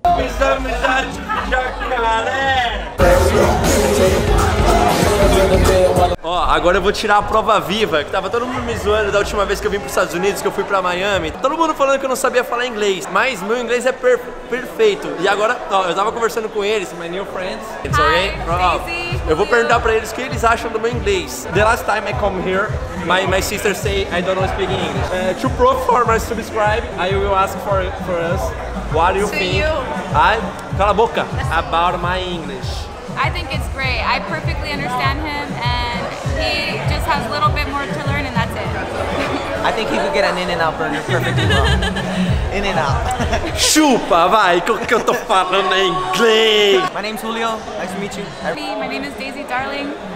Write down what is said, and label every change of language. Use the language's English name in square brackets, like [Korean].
[Portuguese] Fiz amizade com jacaré. Ó, agora eu vou tirar a prova viva, que tava todo mundo me zoando da última vez que eu vim pros Estados Unidos, que eu fui pra Miami. Todo mundo falando que eu não sabia falar inglês, mas meu inglês é perfeito. E agora, ó, eu tava conversando com eles, [English] my new friends. It's okay? Hi, [Portuguese] eu vou perguntar pra eles o que eles acham do meu inglês. [English] The last time I come here, my sister say I don't know speak English. To prove for my subscribe, I will ask for us. What do you to think? You. I, [Portuguese] cala a boca. [English] About my English. I think it's great. I perfectly understand him and he just has a little bit more to learn and that's it. I think he could get an In-N-Out burger perfectly well. In-N-Out. [Portuguese] Chupa, vai, que eu tô falando em inglês. [English] My name's Julio. Nice to meet you. My name is Daisy Darling.